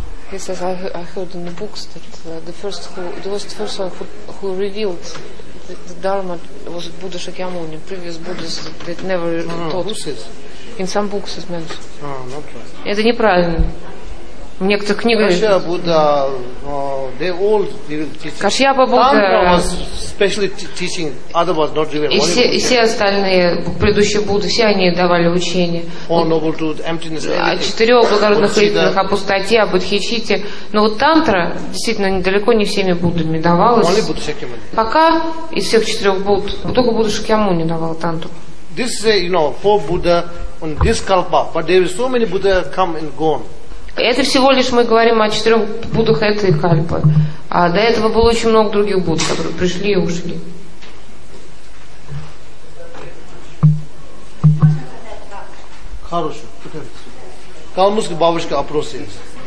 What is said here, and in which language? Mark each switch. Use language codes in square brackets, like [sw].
[en] He says, I heard in the books that the first one who revealed the Dharma was Buddha Shakyamuni. Previous Buddhas that never taught. Who says? In some books it's mentioned. Ah, not right. [ru] Это неправильно. В некоторых книгах. [en] Кашьяпа Будда, they all revealed teaching. [ru] Кашьяпа Будда. [en] Dharma was specially teaching, other was not revealed. [ru] И все остальные предыдущие Будды, все они давали учение. [en] Four noble truths, emptiness. [ru] О четырех благородных истинах, о пустоте, о бодхичитте. Но вот тантра действительно недалеко не всеми Буддами давалась. [en] Only Buddha Shakyamuni. [ru] Пока из всех четырех Будд только Будда Шакьямуни давал тантру. [en] This is, you know, four Buddha on this kalpa, but there are so many Buddha come and gone. [ru] Это всего лишь мы говорим о четырех Буддах этой кальпы. А до этого было очень много других Будд, которые пришли и ушли. Хорошо. Калмыцкая бабушка, опрос есть.